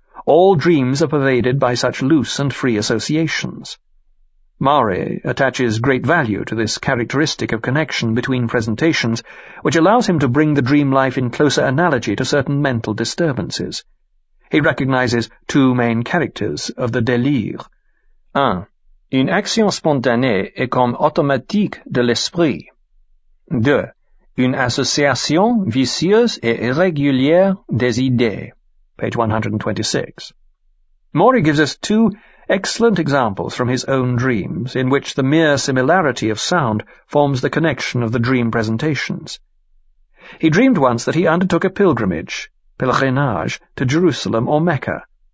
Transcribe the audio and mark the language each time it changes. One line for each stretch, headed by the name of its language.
English: All dreams are pervaded by such loose and free associations. Mare attaches great value to this characteristic of connection between presentations, which allows him to bring the dream life in closer analogy to certain mental disturbances. He recognizes two main characters of the délire. 1.
French: Une action spontanée est comme automatique de l'esprit. 2. Une association vicieuse et irrégulière des idées.
English: Page 126. Mare gives us two excellent examples from his own dreams, in which the mere similarity of sound forms the connection of the dream presentations. He dreamed once that he undertook a pilgrimage to Jerusalem or Mecca.